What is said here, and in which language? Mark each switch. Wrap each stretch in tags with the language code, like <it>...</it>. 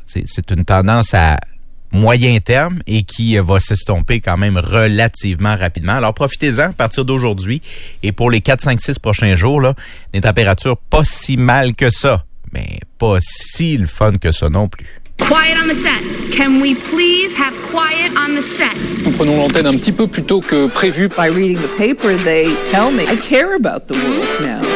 <fr>C'est une tendance à moyen terme et qui va s'estomper quand même relativement rapidement. Alors, profitez-en à partir d'aujourd'hui et pour les 4, 5, 6 prochains jours, là, des températures pas si mal que ça, mais pas si le fun que ça non plus.</fr> <en>Quiet on the set. Can we please have quiet on the set?</en> <fr>Nous prenons l'antenne un petit peu plus tôt que prévu.</fr> <en>By reading the paper, they tell me I care about the world now.</en>